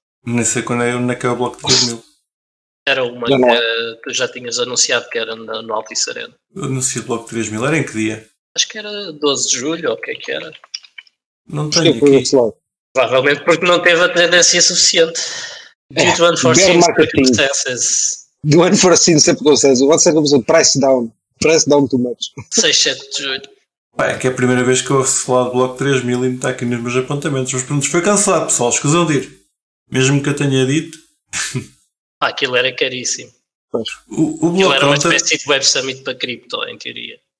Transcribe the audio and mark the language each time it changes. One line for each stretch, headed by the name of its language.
Portuguese: Nem sei quando é onde é que é o bloco 3000. Era uma não, que tu já tinhas anunciado que era no Altice Arena. Eu anunciei o bloco 3000, era em que dia? Acho que era 12 de julho, ou o que é que era? Não tenho aqui. Provavelmente porque não teve a tendência suficiente.
English: Due to unforeseen circumstances. Due to unforeseen circumstances. What's the reason? Price down. Price down too much.
Portuguese: 6, 7 de julho. Pai, é que é a primeira vez que eu ouço falar de bloco 3000 e me está aqui nos meus apontamentos. Mas pronto, foi cancelado, pessoal. Escusam de ir. Mesmo que eu tenha dito. Pá, aquilo era caríssimo. O bloco era uma espécie de Web Summit para cripto, em teoria.